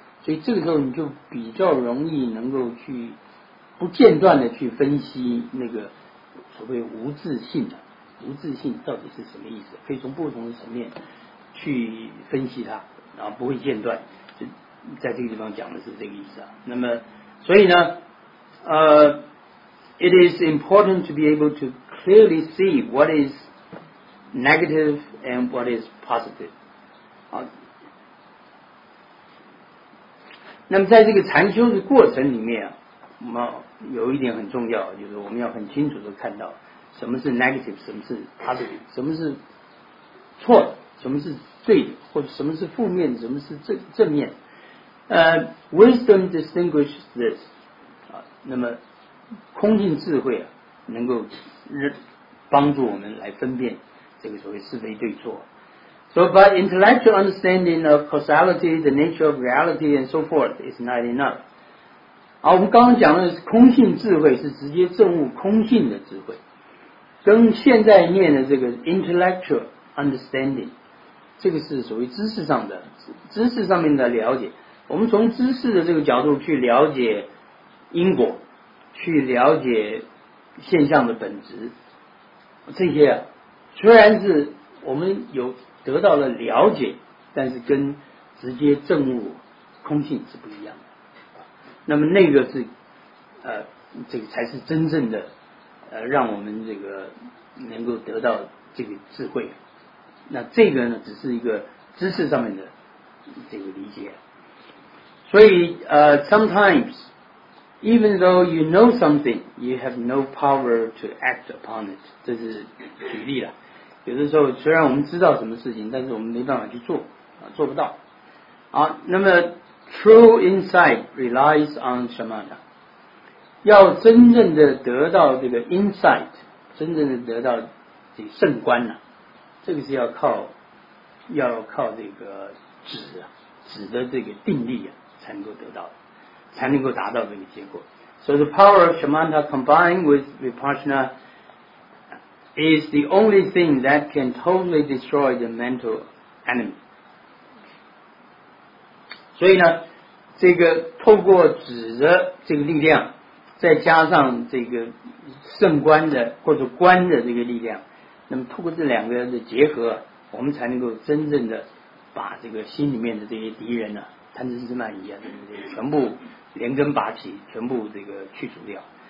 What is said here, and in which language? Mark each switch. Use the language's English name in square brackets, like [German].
[Chinese] 所以这个时候你就比较容易能够去不间断的去分析那个所谓无自性的、无自性到底是什么意思，可以从不同的层面去分析它，然后不会间断，就在这个地方讲的是这个意思啊。那么所以呢 [English] it is important to be able to clearly see what is negative and what is positive。 [Chinese] 那么在这个禅修的过程里面我们有一点很重要，就是我们要很清楚地看到什么是 negative， 什么是 positive， 什么是错的，什么是对的，或者什么是负面，什么是正面。 [English] Wisdom distinguishes this。 [Chinese] 那么空性智慧能够帮助我们来分辨这个所谓是非对错。 [English] So by intellectual understanding of causality, the nature of reality, and so forth is not enough. [Chinese] 好，我们刚刚讲的是空性智慧，是直接证悟空性的智慧，跟现在念的这个 [English] intellectual understanding， [Chinese] 这个是所谓知识上的，知识上面的了解。我们从知识的这个角度去了解因果，去了解现象的本质，这些虽然是我们有得到了了解，但是跟直接证悟空性是不一样的。那么那个是这个才是真正的让我们这个能够得到这个智慧。那这个呢只是一个知识上面的这个理解。 [English] 所以sometimes, even though you know something, you have no power to act upon it. [Chinese] 这是举例了。有的时候虽然我们知道什么事情，但是我们没办法去做，做不到。好，那么 [English] true insight relies on [Chinese] 什么呢？要真正的得到这个 insight, 真正的得到这个圣观呢、啊、这个是要靠这个止的这个定力啊才能够得到，才能够达到这个结果。 [English] So the power of Shamatha combined with Vipassana is the only thing that can totally destroy the mental enemy. [Chinese] 所以呢这个透过止的这个力量再加上这个圣观的或者观的这个力量，那么透过这两个的结合，我们才能够真正的把这个心里面的这些敌人呢、啊、贪嗔痴慢疑啊等等全部连根拔起，全部这个去除掉。